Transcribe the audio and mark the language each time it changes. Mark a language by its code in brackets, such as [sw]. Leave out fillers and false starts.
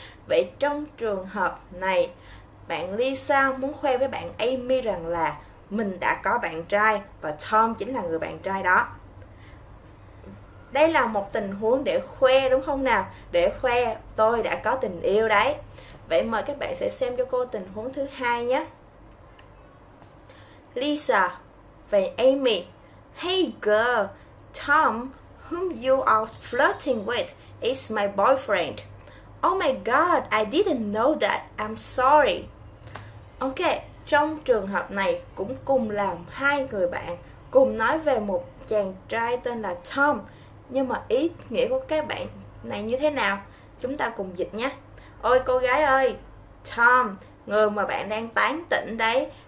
[vi] Vậy trong trường hợp này, bạn Lisa muốn khoe với bạn Amy rằng là mình đã có bạn trai và Tom chính là người bạn trai đó. Đây là một tình huống để khoe đúng không nào? Để khoe tôi đã có tình yêu đấy. Vậy mời các bạn sẽ xem cho cô tình huống thứ hai nhé. Lisa về Amy. [en] Hey girl, Tom, whom you are flirting with, is my boyfriend. Oh my god, I didn't know that. I'm sorry. [vi] Ok, trong trường hợp này cũng cùng là hai người bạn cùng nói về một chàng trai tên là Tom. Nhưng mà ý nghĩa của các bạn này như thế nào? Chúng ta cùng dịch nhé. Ôi cô gái ơi, Tom, người mà bạn đang tán tỉnh đấy.